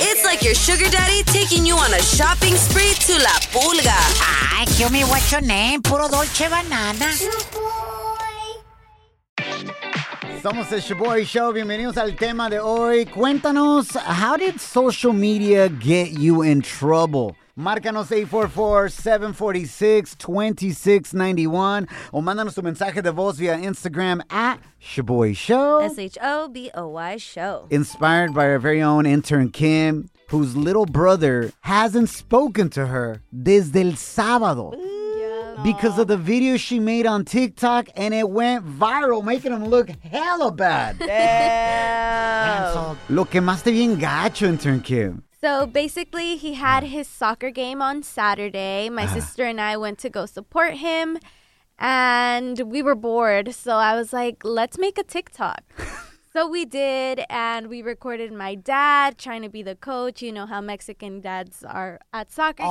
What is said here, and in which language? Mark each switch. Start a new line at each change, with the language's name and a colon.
English: It's like your sugar daddy taking you on a shopping spree to La Pulga. Ay, kill me, what's your name? Puro Dolce Banana.
Spanish: Somos el Shaboy Show. Bienvenidos al tema de hoy. Cuéntanos,
English: how did social media get you in trouble?
Spanish: Márcanos 844-746-2691 o mándanos tu mensaje de voz
English: via Instagram at Shaboy Show. S-H-O-B-O-Y Show. Inspired by our very own intern Kim, whose little brother hasn't spoken to her
Spanish: desde el sábado.
English: Because of the video she made on TikTok, and it went viral, making him look hella bad. Damn.
Spanish: Lo que más te bien gacho, intern Kim.
English: So basically, he had his soccer game on Saturday. My sister and I went to go support him, and we were bored. So I was like, let's make a TikTok. So we did, and we recorded my dad trying to be the coach. You know how Mexican dads are at soccer games.